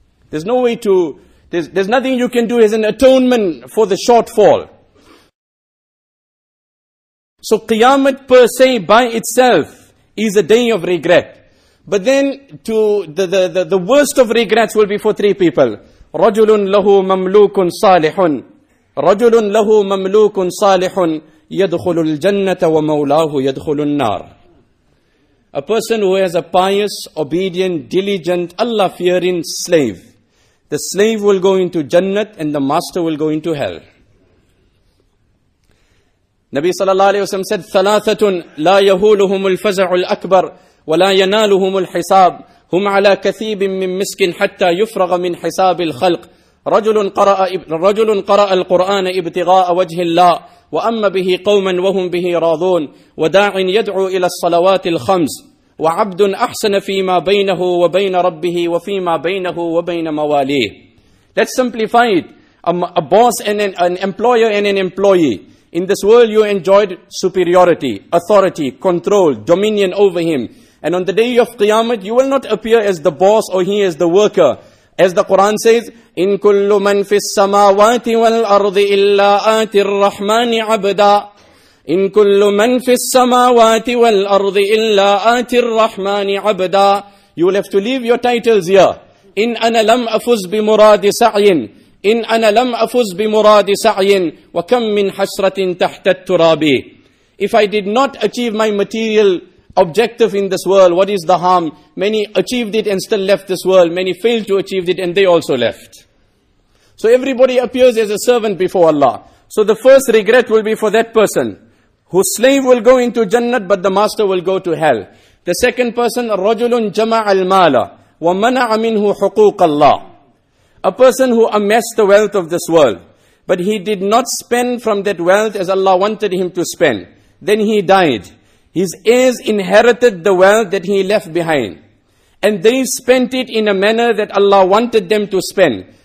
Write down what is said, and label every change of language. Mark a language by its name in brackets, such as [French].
[English] There's no way to, there's nothing you can do as an atonement for the shortfall. So Qiyamah per se by itself is a day of regret. But then to the worst of regrets will be for three people. [Arabic] رَجُلٌ لَهُ مَمْلُوكٌ صَالِحٌ رَجُلٌ لَهُ مَمْلُوكٌ صَالِحٌ يَدْخُلُ الْجَنَّةَ وَمَوْلَاهُ يَدْخُلُ النَّارَ. [English] A person who has a pious, obedient, diligent, Allah-fearing slave. The slave will go into Jannat and the master will go into hell. [Arabic] Nabi sallallahu alayhi wa sallam said, ثَلَاثَةٌ لَا يَهُولُهُمُ الْفَزَعُ الْأَكْبَرُ وَلَا يَنَالُهُمُ الْحِسَابُ هُمْ عَلَى كَثِيبٍ مِّن مِسْكٍ حَتَّى يُفْرَغَ مِنْ حِسَابِ الْخَلْقِ رَجُلٌ قَرَأَ الْقُرْآنَ ابْتِغَاءَ وَجْهِ اللَّهِ وَأَمَّ بِهِ قَوْمًا وَهُمْ بِهِ رَاضُونَ وَدَاعٍ يَدْعُو إِلَى الصَّلَوَاتِ الْخَمْسِ وَعَبْدٌ أَحْسَنَ فِيمَا بَيْنَهُ وَبَيْنَ رَبِّهِ وَفِيمَا بَيْنَهُ وَبَيْنَ مَوَالِيهِ. [English] Let's simplify it. A boss and an employer and an employee. In this world you enjoyed superiority, authority, control, dominion over him. And on the day of Qiyamah, you will not appear as the boss or he as the worker. As the Quran says, [Arabic] إِن كُلُّ مَن فِي السَّمَاوَاتِ وَالْأَرْضِ إِلَّا آتِ الرَّحْمَنِ عَبْدًا إِن كُلُّ مَن فِي السَّمَاوَاتِ وَالْأَرْضِ إِلَّا آتِ الرَّحْمَنِ عَبْدًا. [English] You will have to leave your titles here. [Arabic] إِن أَنَا لَمْ أَفُزْ بِمُرَادِ سَعْيٍ إِن أَنَا لَمْ أَفُزْ بِمُرَادِ سَعْيٍ وَكَمْ مِنْ حَسْرَةٍ تَحْتَ التُّرَابِ. [English] If I did not achieve my material objective in this world, what is the harm? Many achieved it and still left this world. Many failed to achieve it and they also left. So everybody appears as a servant before Allah. So the first regret will be for that person whose slave will go into Jannat but the master will go to hell. The second person, [Arabic] رَجُلٌ جَمَعَ الْمَالَ وَمَنَعَ مِنْهُ حُقُوقَ اللَّهِ. [English] A person who amassed the wealth of this world but he did not spend from that wealth as Allah wanted him to spend. Then he died. His heirs inherited the wealth that he left behind. And they spent it in a manner that Allah wanted them to spend.